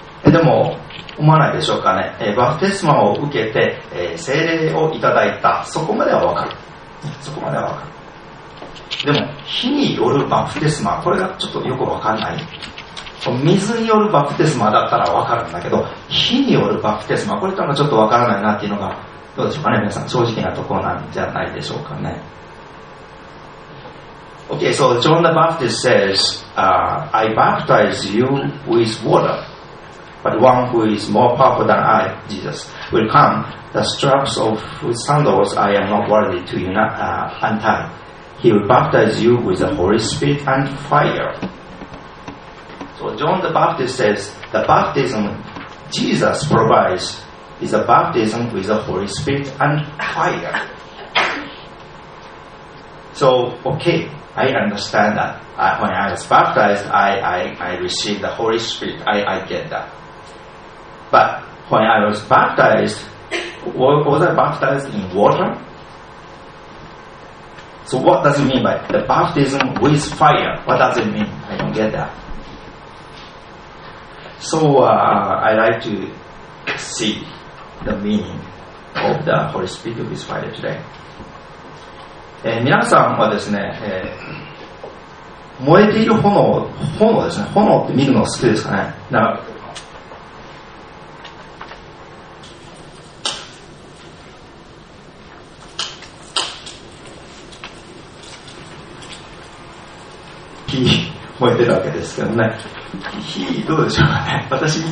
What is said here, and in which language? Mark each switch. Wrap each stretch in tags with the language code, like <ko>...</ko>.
<ja>でも思わないでしょうかね。バプテスマを受けて、聖霊をいただいた、そこまではわかる、そこまではわかる。でも火によるバプテスマ、これがちょっとよくわかんない。水によるバプテスマだったらわかるんだけど、火によるバプテスマ、これってちょっとわからないなっていうのが、どうでしょうかね、皆さん正直なところなんじゃないでしょうかね。</ja> <en>OK, so John the Baptist says、I baptize you with waterBut one who is more powerful than I, Jesus, will come. The straps of whose sandals I am not worthy to untie. He will baptize you with the Holy Spirit and fire. So John the Baptist says, the baptism Jesus provides is a baptism with the Holy Spirit and fire. So, okay, I understand that. When I was baptized, I received the Holy Spirit. I get that. But when I was baptized, was I baptized in water? So what does it mean by the baptism with fire? What does it mean? I don't get that. So I like to see the meaning of the Holy Spirit with fire today.</en> <ja>皆さんはですね、燃えている炎ですね、炎って見るの好きですかね。だから燃えてるわけですけどね、火どうでしょうかね。</ja>